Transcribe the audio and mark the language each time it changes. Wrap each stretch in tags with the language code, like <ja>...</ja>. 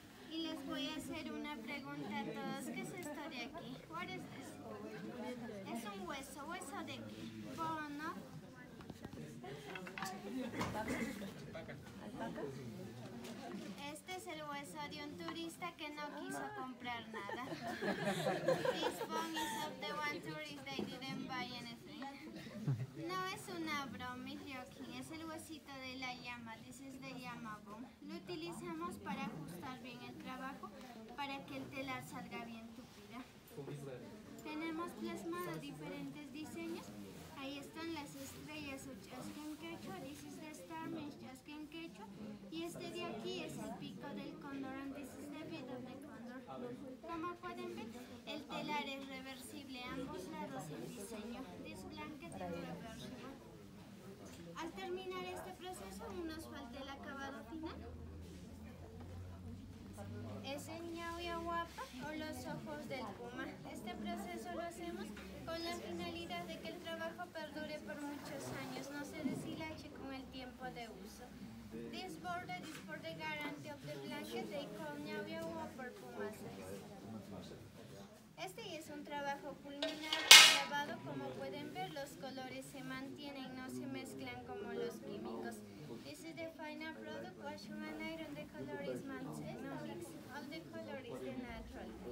<es>Y les voy a hacer una pregunta a todos. ¿Qué es esto de aquí? What is this? Es un hueso. ¿Hueso de qué? ¿Bono? Este es el hueso de un turista que no quiso comprar nada.</es> <en>This bone is of the one tourist that didn't buy anything.</en> <es>No es una broma, Ryoki, es el huesito de la llama, this is the llama bone. Lo utilizamos para ajustar bien el trabajo, para que el telar salga bien tupida. Tenemos plasmado diferentes diseños. Ahí están las estrellas o chasquen quechua, this is the star, means chasquen quechua. Y este de aquí es el pico del cóndor, and this is the bed of the cóndor. Como pueden ver, el telar es reversible a ambos lados del diseño. This blanket is reversible. Al terminar este proceso, aún nos falta el acabado final. Es el ñaoya guapa o los ojos del puma. Este proceso lo hacemos con la finalidad de que el trabajo perdure por muchos años, no se deshilache con el tiempo de uso.</es> <en>This border is for the guarantee of the blanket they call ñaoya guapa or puma size.</en> <es>Este es un trabajo culminado y lavado. Como pueden ver, los colores se mantienen, no se mezclan como los químicos.</es> <en>This is the final product, wash on an iron, the color is maintained, no mix, all the color is the natural.</en>